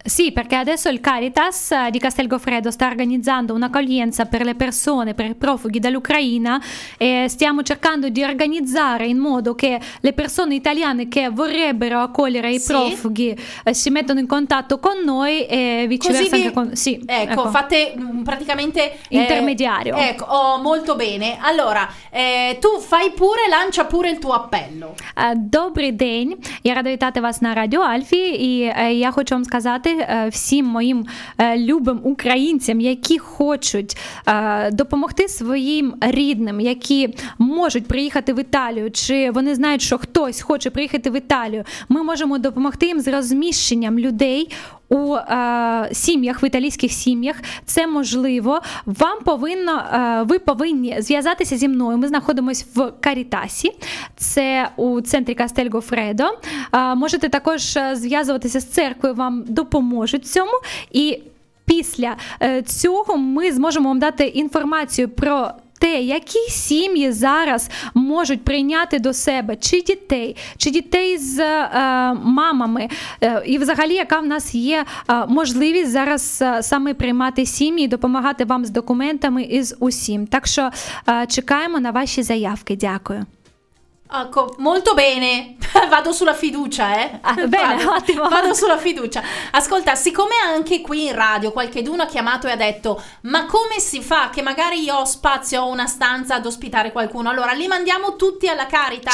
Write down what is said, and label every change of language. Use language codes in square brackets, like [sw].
[it] Sì, perché adesso il Caritas di Castelgofredo sta organizzando un'accoglienza per le persone, per i profughi dall'Ucraina, e stiamo cercando di organizzare in modo che le persone italiane che vorrebbero accogliere i, sì, profughi si mettano in contatto con noi e viceversa. Così vi... anche con... sì, ecco, ecco, fate praticamente intermediario. Ecco, oh, molto bene. Allora, tu fai pure, lancia pure il tuo appello. [uk] Добрий день. Я рада вітати вас на радіо Альфі, і я хочу вам сказати всім моїм любим українцям, які хочуть допомогти своїм рідним, які можуть приїхати в Італію, чи вони знають, що хтось хоче приїхати в Італію. Ми можемо допомогти їм з розміщенням людей у сім'ях, в італійських сім'ях, це можливо. Вам повинно, ви повинні зв'язатися зі мною. Ми знаходимось в Карітасі, це у центрі Кастельгофредо. Можете також зв'язуватися з церквою, вам допоможуть в цьому. І після цього ми зможемо вам дати інформацію про те, які сім'ї зараз можуть прийняти до себе, чи дітей з мамами, і взагалі яка в нас є можливість зараз саме приймати сім'ї, допомагати вам з документами і з усім. Так що чекаємо на ваші заявки. Дякую. [it] Ecco, molto bene, vado sulla fiducia, bene, vado, ottimo, vado sulla fiducia. Ascolta, siccome anche qui in radio qualcheduno ha chiamato e ha detto, ma come si fa che magari io ho spazio, ho una stanza ad ospitare qualcuno, allora li mandiamo tutti alla Caritas?